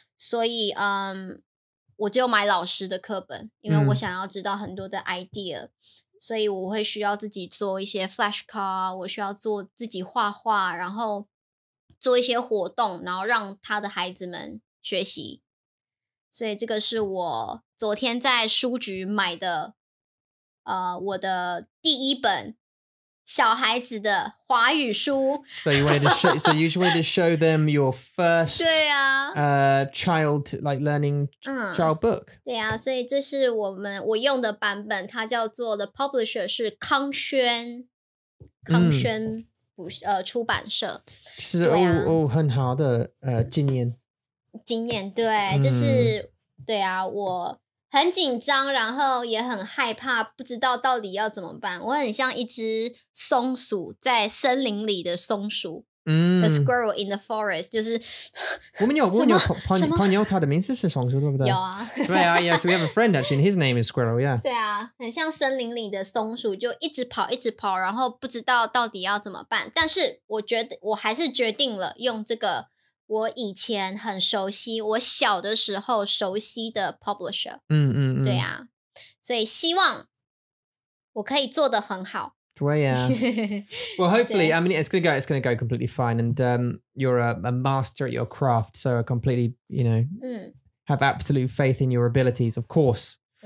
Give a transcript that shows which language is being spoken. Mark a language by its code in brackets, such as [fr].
[zh] 所以我就买老师的课本，因为我想要知道很多的 idea，所以我会需要自己做一些 flashcard， 我需要做自己画画，然后做一些活动，然后让他的孩子们学习。所以这个是我昨天在书局买的，我的第一本小孩子的华语书。 [en] So you wanted to show, so you wanted to show them your first, [zh] 对啊, [en] child like learning child book. [zh] 对啊，所以这是我用的版本，它叫做 the publisher 是康轩，康轩出版社。是哦哦，很好的经验。经验对，就是对啊，我。很紧张，然后也很害怕，不知道到底要怎么办。我很像一只松鼠，在森林里的松鼠。 [en] The squirrel in the forest, [zh] 就是。我们有朋友，他的名字是松鼠，对不对？有啊。对啊， [en] Yes, we have a friend actually, and his name is squirrel, yeah. [zh] 对啊，很像森林里的松鼠，就一直跑，一直跑，然后不知道到底要怎么办。但是我觉得，我还是决定了用这个我以前很熟悉，我小的时候熟悉的 publisher， 对啊，所以希望我可以做得很好。对啊， [en] Well, hopefully, I mean, it's gonna go completely fine, and you're a master at your craft, so I completely, you know, have absolute faith in your abilities, of course.